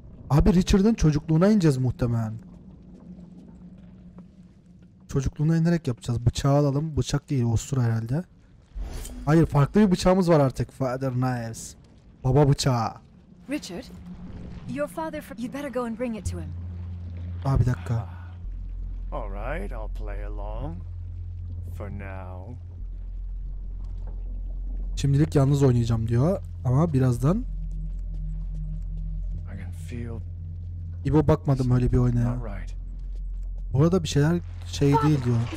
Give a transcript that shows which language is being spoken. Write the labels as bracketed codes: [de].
[tr] Abi Richard'ın çocukluğuna ineceğiz muhtemelen. Çocukluğuna inerek yapacağız. Bıçağı alalım. Bıçak değil, ostur herhalde. Hayır, farklı bir bıçağımız var artık. [en] Father knives. [tr] Baba bıçağı. [en] Richard, your father you better go and bring it to him. [tr] Abi bir dakika. [en] All right, I'll play along for now. [tr] Şimdilik yalnız oynayacağım diyor ama birazdan. [en] I can feel. [tr] İbo bakmadım öyle bir oynaya. [en] All right. [tr] Burada bir şeyler şey değil diyor.